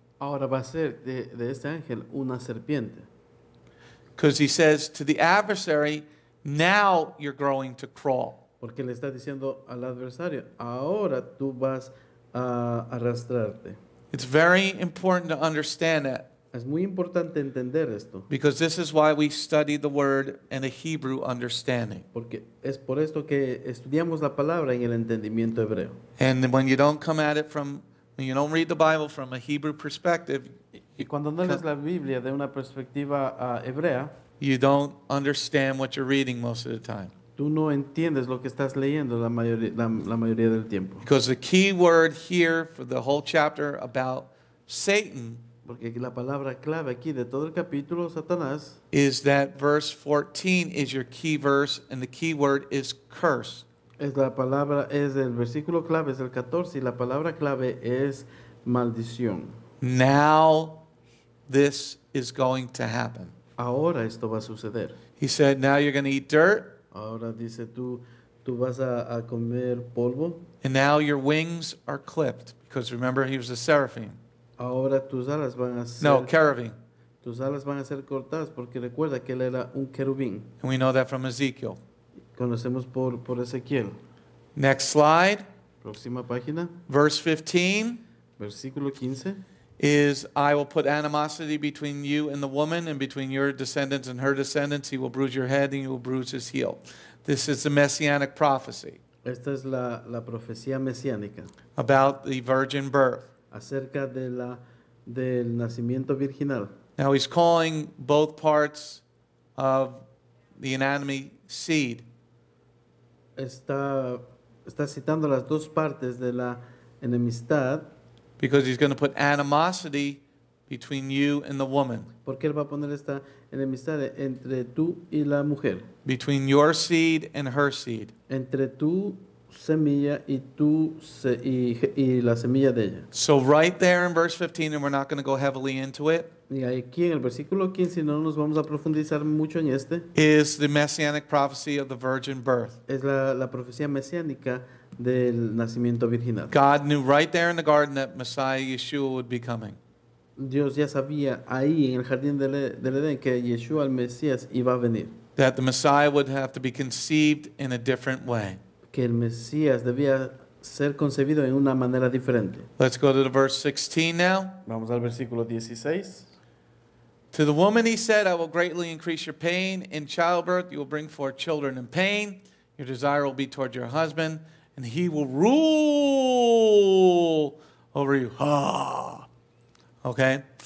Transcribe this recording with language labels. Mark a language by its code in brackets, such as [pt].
[es] Ahora va a ser de este ángel una serpiente. [en] Because he says to the adversary, now you're growing to crawl. [es] Porque le está diciendo al adversario, ahora tú vas a arrastrarte. [en] It's very important to understand that. [es] Es muy importante entender esto. [en] Because this is why we study the word and the Hebrew understanding. [es] Porque es por esto que estudiamos la palabra en el entendimiento hebreo. [en] And when you don't come at it from, when you don't read the Bible from a Hebrew perspective. [es] Y cuando no lees la Biblia de una perspectiva hebrea. [en] You don't understand what you're reading most of the time. [es] Tú no entiendes lo que estás leyendo la mayoría del tiempo. [en] Because the key word here for the whole chapter about Satan, [es] porque la palabra clave aquí de todo el capítulo, Satanás, [en] is that verse 14 is your key verse and the key word is curse. [es] Es la palabra, es el versículo clave, es el 14 y la palabra clave es maldición. [en] Now this is going to happen. [es] Ahora esto va a suceder. [en] He said, now you're going to eat dirt. [es] Ahora dice, tú vas a comer polvo. [en] And now your wings are clipped. Because remember, he was a seraphim. [es] Ahora tus alas van a ser, no, cherubim. Tus alas van a ser cortadas porque recuerda que él era un querubín. [en] And we know that from Ezekiel. [es] Conocemos por Ezequiel. [en] Next slide. [es] Próxima página. [en] Verse 15. [es] Versículo 15. [en] Is I will put animosity between you and the woman and between your descendants and her descendants. He will bruise your head and you will bruise his heel. This is the messianic prophecy. [es] Esta es la profecía mesiánica. [en] About the virgin birth. [es] Acerca de la, del nacimiento virginal. [en] Now he's calling both parts of the anatomy seed. [es] Está citando las dos partes de la enemistad. [en] Because he's going to put animosity between you and the woman. [es] Porque él va a poner esta enemistad entre tú y la mujer. [en] Between your seed and her seed. [es] Entre tu semilla y tu y la semilla de ella. [en] So right there in verse 15, and we're not going to go heavily into it. [es] Y aquí en el versículo 15 no nos vamos a profundizar mucho en este. [en] Is the messianic prophecy of the virgin birth. [es] Es la profecía mesiánica del nacimiento virginal. [en] God knew right there in the garden that Messiah Yeshua would be coming. [es] Dios ya sabía ahí en el jardín del Edén que Yeshua el Mesías iba a venir. [en] That the Messiah would have to be conceived in a different way. [es] Que el Mesías debía ser concebido en una manera diferente. [en] Let's go to the verse 16 now. [es] Vamos al versículo 16. [en] To the woman he said, I will greatly increase your pain in childbirth. You will bring forth children in pain. Your desire will be toward your husband. And he will rule over you. Ah. Okay.